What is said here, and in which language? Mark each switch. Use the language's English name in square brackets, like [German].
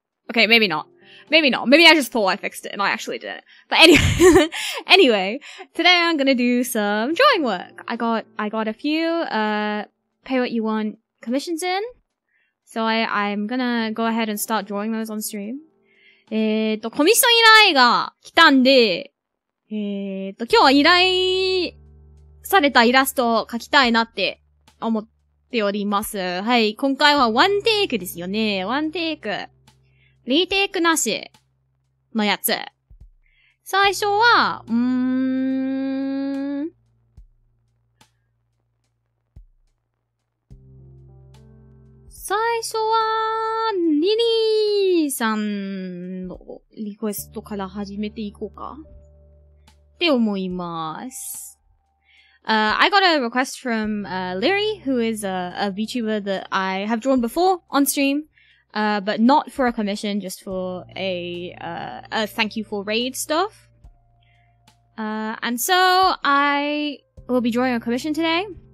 [English] Okay, maybe not. Maybe not. Maybe I just thought I fixed it and I actually did it. But anyway, anyway, today I'm gonna do some drawing work. I got a few, PWYW commissions in. So I'm gonna go ahead and start drawing those on stream. [Japanese] コミッション依頼が来たんで、今日は依頼されたイラストを描きたいなって思っております。はい、今回はワンテイクですよね。ワンテイク。リーテイクなしのやつ。最初は、最初は、リリーさんのリクエストから始めていこうかって思います。 [English] I got a request from, Lyri, who is a VTuber that I have drawn before on stream. But not for a commission, just for a thank you for raid stuff. And so I will be drawing a commission today.